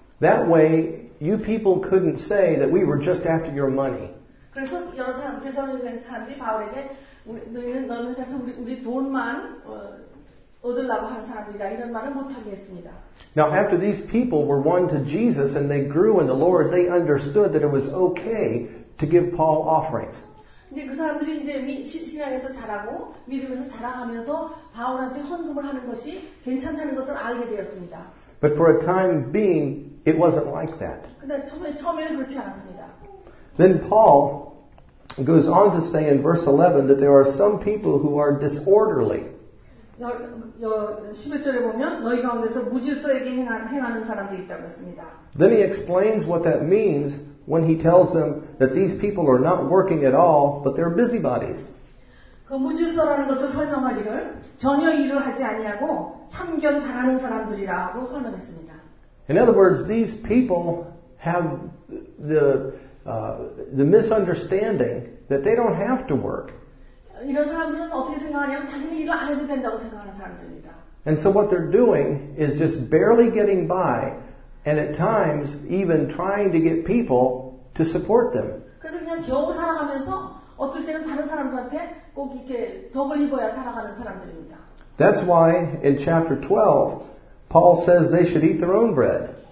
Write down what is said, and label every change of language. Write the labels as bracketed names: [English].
[English] That way, you people couldn't say that we were just after your money. [Korean] 그래서 여러 사람, 데살로니가 사람들이 바울에게 너는 자신 우리 돈만 얻으려고 한 사람이다 이런 말을 못하게 했습니다. [English] Now, after these people were won to Jesus and they grew in the Lord, they understood that it was okay to give Paul offerings. [Korean] 이제 그 사람들이 이제 신앙에서 자라고 믿음에서 자라가면서 바울한테 헌금을 하는 것이 괜찮다는 것을 알게 되었습니다. [English] But for a time being, it wasn't like that. [Korean] 근데 처음에는 그렇지 않았습니다. [English] Then Paul goes on to say in verse 11 that there are some people who are disorderly. [Korean] 11절에 보면 너희 가운데서 무질서에게 행하는 사람들이 있다고 했습니다. [English] Then he explains what that means when he tells them that these people are not working at all, but they're busybodies. [Korean] 그 무질서라는 것을 설명하기를 전혀 일을 하지 아니하고 참견 잘하는 사람들이라고 설명했습니다. [English] In other words, these people have the misunderstanding that they don't have to work. [Korean] 이런 사람들은 어떻게 생각하냐면 자신이 일을 안 해도 된다고 생각하는 사람들입니다. [English] And so what they're doing is just barely getting by and at times even trying to get people to support them. [Korean] 그래서 그냥 겨우 살아가면서 어떨 때는 다른 사람들한테 꼭 이렇게 덕을 입어야 살아가는 사람들입니다. [English] That's why in chapter 12 Paul says they should eat their own bread.